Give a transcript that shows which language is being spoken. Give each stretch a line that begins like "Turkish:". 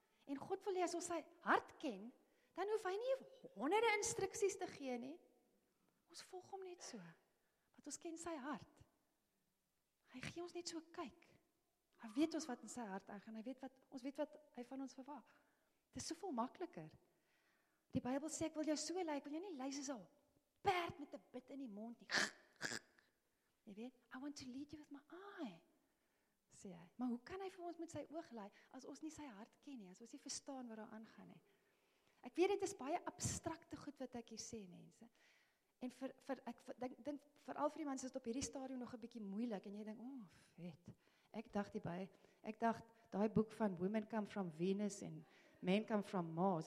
Afrikaans: En God wil hê, as ons sy hart ken, dan hoef hy nie honderde instruksies te gee nie. Ons volg hom net so. Ons ken sy hart. Hy gee ons net so kyk. Hy weet ons wat in sy hart aangaan. Ons weet wat hy van ons verwag. Dit is soveel makliker. Die Bybel sê ek wil jou so lyk, wil jou nie lyk soos 'n perd met 'n bit in die mond nie. Jy weet,
English: I want to lead you with my eye.
Afrikaans: Sê hy. Maar hoe kan hy vir ons met sy oog lei as ons nie sy hart ken nie, as ons nie verstaan wat daar aangaan nie. Ek weet dit is baie abstrakte goed wat ek hier sê, mense. En ek dink veral vir die mans is dit op hierdie stadium nog 'n bietjie moeilik en jy dink, "Oh, vet." Ek dacht daai boek van Women Come From Venus en Men Come From Mars.